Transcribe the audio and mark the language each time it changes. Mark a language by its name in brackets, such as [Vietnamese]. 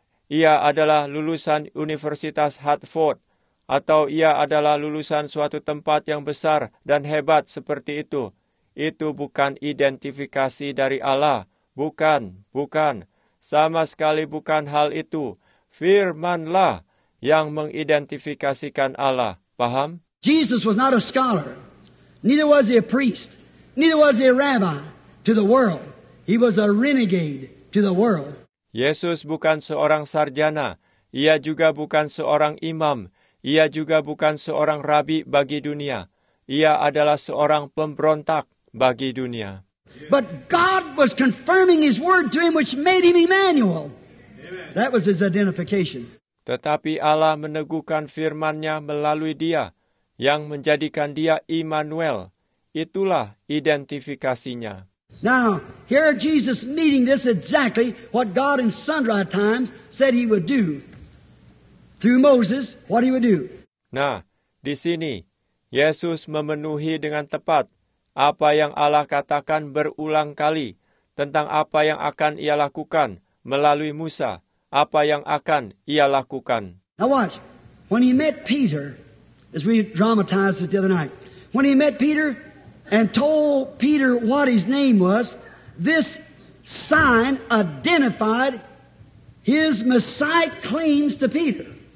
[Indonesian] Ia adalah lulusan Universitas Hartford, atau ia adalah lulusan suatu tempat yang besar dan hebat seperti itu. Itu bukan identifikasi dari Allah. Bukan, bukan. Sama sekali bukan hal itu. Firmanlah yang mengidentifikasikan Allah. Paham? [English] Jesus was not a scholar. Neither was he a priest. Neither was he a rabbi to the world. He was a renegade to the world. [Indonesian] Yesus bukan seorang sarjana. Ia juga bukan seorang imam. Ia juga bukan seorang rabi bagi dunia. Ia adalah seorang pemberontak bagi dunia. [English] But God was confirming his word to him, which made him Emmanuel. That was his identification. [Indonesian] Tetapi Allah meneguhkan firman-Nya melalui dia, yang menjadikan dia Immanuel. Itulah identifikasinya. [English] Now, here Jesus meeting this exactly what God in sundry times said he would do. Through Moses, what he would do. [Indonesian] Nah, di sini, Yesus memenuhi dengan tepat apa yang Allah katakan berulang kali tentang apa yang akan ia lakukan melalui Musa, apa yang akan ia lakukan. [English] Now watch, when he met Peter, as we dramatized it the other night, when he met Peter and told Peter what his name was, this sign identified his Messiah claims to Peter.